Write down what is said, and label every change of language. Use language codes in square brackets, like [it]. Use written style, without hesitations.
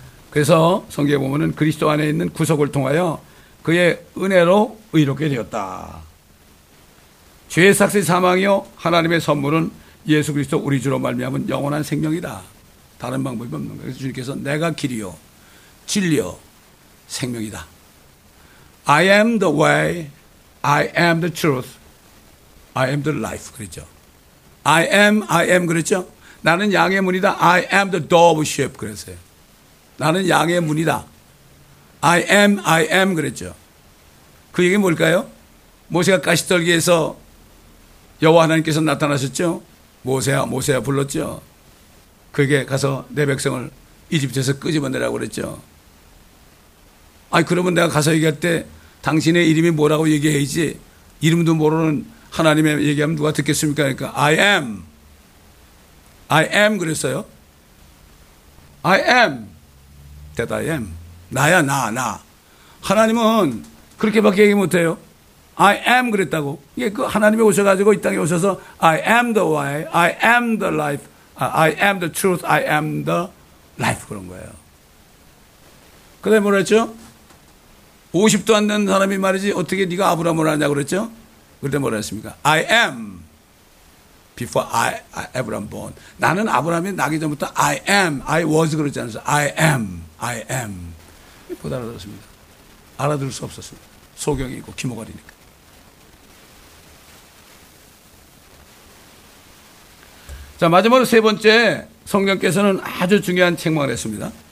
[ko] 그래서 성경에 보면은 그리스도 안에 있는 구속을 통하여 그의 은혜로 의롭게 되었다. 죄의 삭세 사망이요 하나님의 선물은 예수 그리스도 우리 주로 말미암은 영원한 생명이다. 다른 방법이 없는 거예요. 그래서 주님께서 내가 길이요 진리요 생명이다. [en] I am the way, I am the truth, I am the life [ko] 그랬죠. [en] I am [ko] 그랬죠. 나는 양의 문이다. [en] I am the door of sheep [ko] 그랬어요. 나는 양의 문이다. [en] I am [ko] 그랬죠. 그 얘기 뭘까요? 모세가 가시떨기에서 여호와 하나님께서 나타나셨죠. 모세야 모세야 불렀죠. 그에게 가서 내 백성을 이집트에서 끄집어내라고 그랬죠. 아니 그러면 내가 가서 얘기할 때 당신의 이름이 뭐라고 얘기해야지. 이름도 모르는 하나님의 얘기하면 누가 듣겠습니까? 그러니까 [en] I am [ko] 그랬어요. [en] I am. That I am. [ko] 나야 나 나. 하나님은 그렇게밖에 얘기 못해요. [en] I am [ko] 그랬다고. 이게 그 하나님이 오셔가지고 이 땅에 오셔서 [en] I am the way, I am the life, I am the truth, I am the life [ko] 그런 거예요. 그 다음에 뭐라 했죠? 50도 안 된 사람이 말이지 어떻게 네가 아브라함을 아냐고 그랬죠? 그때 뭐라 했습니까? [en] I am before I Abraham born. [ko] 나는 아브라함이 나기 전부터 [en] I am, I was [ko] 그러지 않았어요. [en] I am [ko] 못 알아들었습니다. 알아들을 수 없었습니다. 소경이고 기모가리니까. 자 마지막으로 세 번째 성경께서는 아주 중요한 책망을 했습니다.